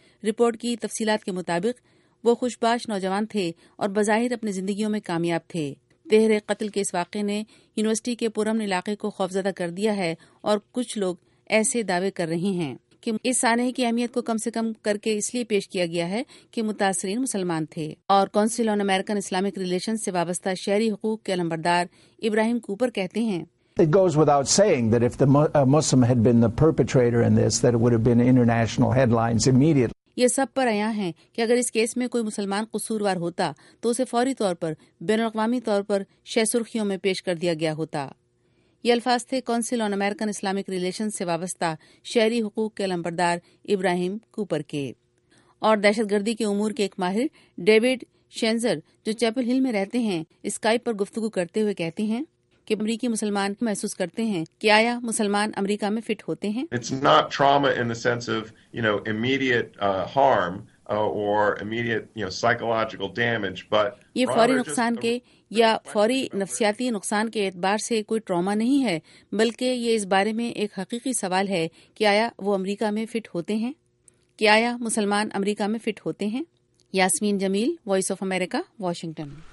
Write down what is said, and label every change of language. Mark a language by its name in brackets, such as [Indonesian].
[Urdu] Report کی تفصیلات کے مطابق وہ خوشباش نوجوان تھے اور بظاہر اپنی زندگیوں میں کامیاب تھے۔ تہرے قتل کے اس واقعے نے یونیورسٹی کے پرامن علاقے کو خوفزدہ کر دیا ہے، اور کچھ لوگ ایسے دعوے کر رہے ہیں کہ اس سانحے کی اہمیت کو کم سے کم کر کے اس لیے پیش کیا گیا ہے کہ متاثرین مسلمان تھے۔ اور کونسل آن امریکن اسلامک ریلیشن سے وابستہ شہری حقوق کے علمبردار ابراہیم کوپر کہتے ہیں، [English] It goes without saying that if the Muslim had been the perpetrator in this, that it would have been international headlines immediately. [Urdu] یہ سب پر آیا ہے کہ اگر اس کیس میں کوئی مسلمان قصوروار ہوتا تو اسے فوری طور پر بین الاقوامی طور پر شہ سرخیوں میں پیش کر دیا گیا ہوتا۔ یہ الفاظ تھے کونسل آن امریکن اسلامک ریلیشن سے وابستہ شہری حقوق کے علمبردار ابراہیم کوپر کے۔ اور دہشت گردی کے امور کے ایک ماہر ڈیوڈ شینزر جو چیپل ہل میں رہتے ہیں اسکائپ پر گفتگو کرتے ہوئے کہتے ہیں کہ امریکی مسلمان محسوس کرتے ہیں کہ آیا مسلمان امریکہ میں فٹ ہوتے ہیں. [English] It's not trauma in the sense of, you know, immediate harm or immediate, you know, psychological damage, but [Urdu] یہ فوری نقصان کے یا فوری نفسیاتی نقصان کے اعتبار سے کوئی ٹراما نہیں ہے بلکہ یہ اس بارے میں ایک حقیقی سوال ہے کہ آیا وہ امریکہ میں فٹ ہوتے ہیں. کہ آیا مسلمان امریکہ میں فٹ ہوتے ہیں. یاسمین جمیل، وائس آف امریکہ، واشنگٹن.